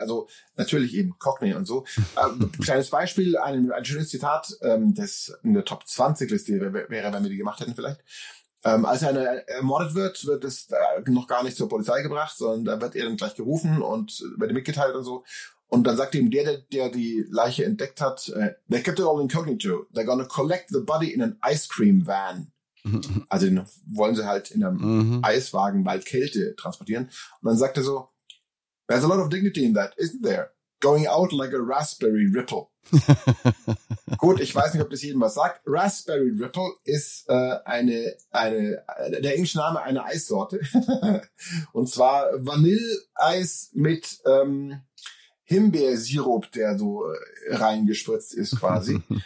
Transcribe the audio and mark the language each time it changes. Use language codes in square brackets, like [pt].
[de] Also natürlich eben Cockney und so. Kleines Beispiel, ein schönes Zitat, das in der Top 20-Liste wäre, wenn wir die gemacht hätten vielleicht. Als er ermordet wird, wird es noch gar nicht zur Polizei gebracht, sondern da wird er dann gleich gerufen und wird mitgeteilt und so. Und dann sagt ihm der die Leiche entdeckt hat, [en] they kept it all incognito. They're gonna collect the body in an ice cream van. [de] Also den wollen sie halt in einem Eiswagen bei Kälte transportieren. Und dann sagt er so, [en] there's a lot of dignity in that, isn't there? Going out like a raspberry ripple. [de] Gut, ich weiß nicht, ob das jedem was sagt. Raspberry Ripple ist der englische Name einer Eissorte. Und zwar Vanilleeis mit Himbeersirup, der so reingespritzt ist quasi.